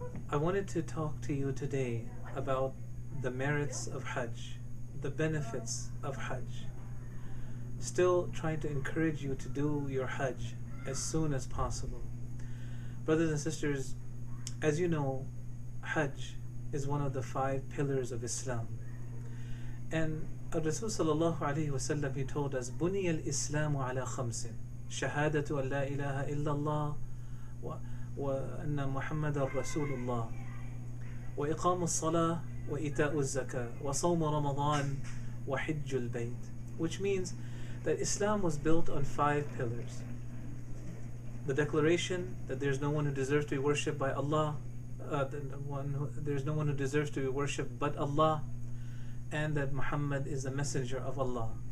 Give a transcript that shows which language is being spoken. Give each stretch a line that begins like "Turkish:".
English: I wanted to talk to you today about the merits of Hajj, the benefits of Hajj. Still trying to encourage you to do your Hajj as soon as possible. Brothers and sisters, as you know, Hajj is one of the five pillars of Islam. And Rasul sallallahu alayhi wa sallam, he told us,
Arabic: بُنِيَ الْإِسْلَامُ عَلَىٰ خَمْسٍ شَهَادَةُ أَنْ لَا إِلَهَ إِلَّا اللَّهِ وَأَنَّ مُحَمَّدًا رَسُولُ اللَّهِ وَإِقَامُ الصَّلَاةِ وَإِتَاءُ الزَّكَاةِ وَصَوْمُ رَمَضَانِ وَحِجُّ الْبَيْتِ.
English: Which means that Islam was built on five pillars. The declaration that there's no one who deserves to be worshipped by Allah, there's no one who deserves to be worshipped but Allah, and that Muhammad is the messenger of Allah.